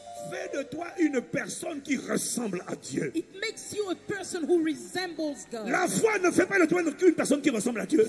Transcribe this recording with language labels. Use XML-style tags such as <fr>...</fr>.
<fr>Fais de toi une personne qui ressemble à Dieu.</fr> <en>It makes you a person who resembles God.</en> <fr>La foi ne fait pas de toi une personne qui ressemble à Dieu.</fr>